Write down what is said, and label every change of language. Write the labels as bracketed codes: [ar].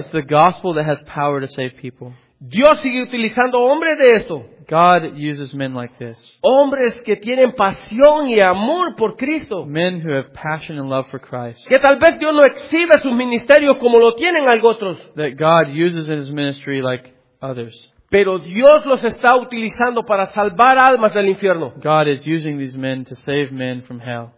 [en] It's the gospel that has power to save people. [es] Dios sigue utilizando hombres de esto. [en] God uses men like this. [es] Hombres que tienen pasión y amor por Cristo. [en] Men who have passion and love for Christ. [es] Que tal vez Dios no exhibe sus ministerios como lo tienen algunos. [en] That God uses in his ministry like others. [es] Pero Dios los está utilizando para salvar almas del infierno. [en] God is using these men to save men from hell.